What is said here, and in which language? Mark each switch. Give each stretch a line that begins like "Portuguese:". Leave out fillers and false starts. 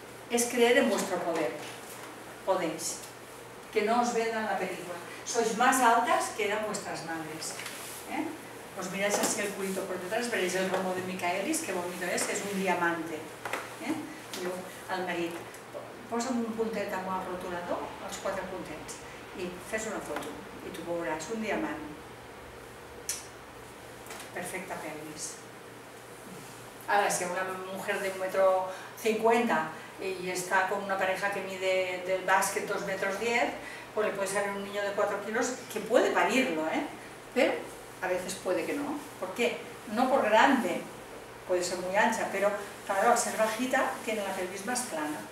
Spanish: Es creer en vuestro poder. Podéis. Que no os vendan la película. Sois más altas que eran vuestras madres. ¿Eh? Os miráis así el culito por detrás, veréis el romo de Micaelis, qué bonito es un diamante. ¿Eh?
Catalan: Yo, al marido, posa'm un puntet amb el rotulador, els 4 puntets, i fes una foto, i tu veuràs un diamant.
Spanish: Perfecta pelvis. Ahora, si una mujer de 1,50 m y está con una pareja que mide del básquet 2,10 m, pues le puede salir un niño de 4 kilos que puede parirlo, ¿eh? Pero a veces puede que no. ¿Por qué? No por grande, puede ser muy ancha, pero claro, al ser bajita tiene la pelvis más plana.